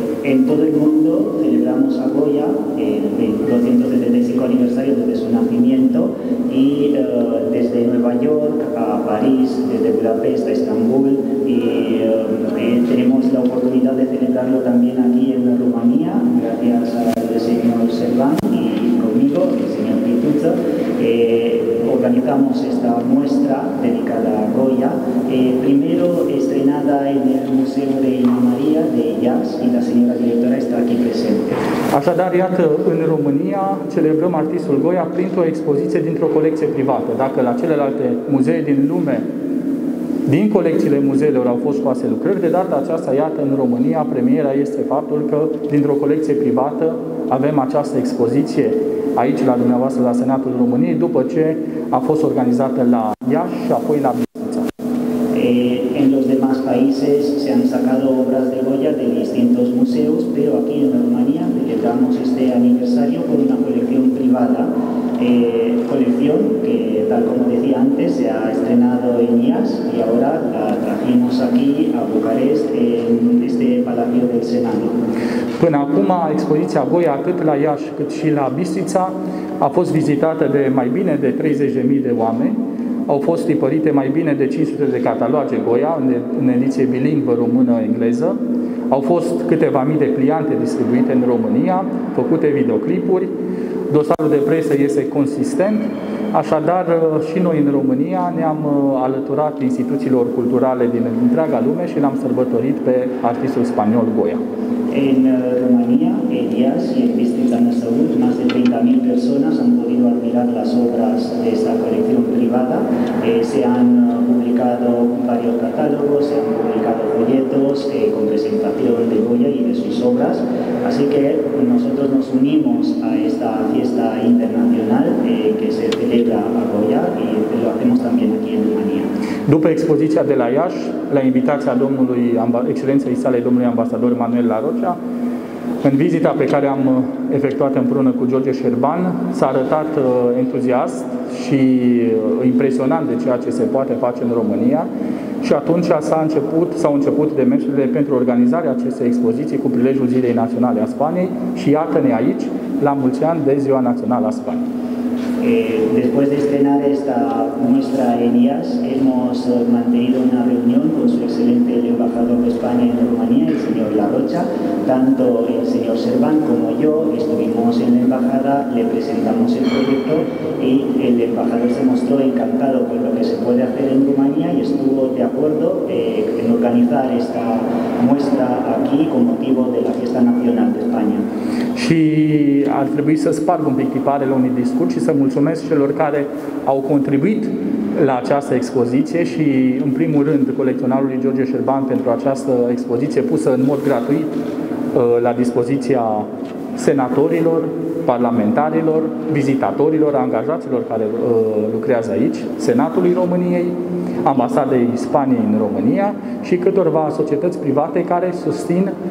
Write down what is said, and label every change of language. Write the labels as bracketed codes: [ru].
[es] En todo el mundo celebramos a Goya el 275 aniversario desde su nacimiento y desde Nueva York a París, desde Budapest a Estambul y tenemos la oportunidad de celebrarlo también aquí en Rumanía gracias al señor Șerban y conmigo, el señor Pituzzo. Organizamos esta muestra dedicada a Goya, primero estrenada en el Museo de Ina María de Iași y la señora directora está aquí presente. [ro] Așadar, iată, în România celebrăm artistul Goya printr-o expoziție dintr-o colecție privată. Dacă la celelalte muzee din lume, din colecțiile muzeelor au fost scoase lucrări, de data aceasta, iată, în România, premiera este faptul că dintr-o colecție privată avem această expoziție aici, la dumneavoastră, la Senatul României, după ce a fost organizată la Iași și apoi la Bistrița. [es] En los demás países se han sacado obras de Goya de distintos museos, pero aquí en România celebramos este aniversario con una colección privada, colección que, tal como decía antes, se ha estrenado en Iași y ahora la trajimos aquí a Bucarest, en este Palacio del Senado. [ro] Până acum, expoziția Goya, atât la Iași cât și la Bistrița, a fost vizitată de mai bine de 30.000 de oameni. Au fost tipărite mai bine de 500 de cataloge Goya în ediție bilingvă română-engleză. Au fost câteva mii de pliante distribuite în România, făcute videoclipuri. Dosarul de presă este consistent. Așadar, și noi în România ne-am alăturat instituțiilor culturale din întreaga lume și l-am sărbătorit pe artistul spaniol Goya. [es] En Rumanía, en Iași y en Bistrița Năsăud, más de 30.000 personas han podido admirar las obras de esta colección privada. Se han publicado varios catálogos, se han publicado folletos con presentación de Goya y de sus obras. Así que nosotros nos unimos a esta fiesta internacional que se celebra a Goya y lo hacemos también aquí en Rumanía. [ro] După expoziția de la Iași, la invitația domnului excelenței sale, domnului ambasador Manuel La Rocea, în vizita pe care am efectuat împreună cu George Șerban, s-a arătat entuziast și impresionant de ceea ce se poate face în România și atunci s-au început demersurile pentru organizarea acestei expoziții cu prilejul Zilei Naționale a Spaniei și iată-ne aici, la mulți ani de Ziua Națională a Spaniei. [es] Después de estrenar esta muestra en IAS, hemos mantenido una reunión con su excelente el embajador de España en Rumanía, el señor La Rocha. Tanto el señor Serván como yo estuvimos en la embajada, le presentamos el proyecto y el embajador se mostró encantado con lo que se puede hacer en Rumanía y estuvo de acuerdo en organizar esta muestra aquí con motivo de la Fiesta Nacional de España. [ro] Și ar trebui să sparg un pic tiparele unui discurs și să mulțumesc celor care au contribuit la această expoziție și, în primul rând, colecționarului George Șerban pentru această expoziție pusă în mod gratuit la dispoziția senatorilor, parlamentarilor, vizitatorilor, angajaților care lucrează aici, Senatului României, Ambasadei Spaniei în România și câtorva societăți private care susțin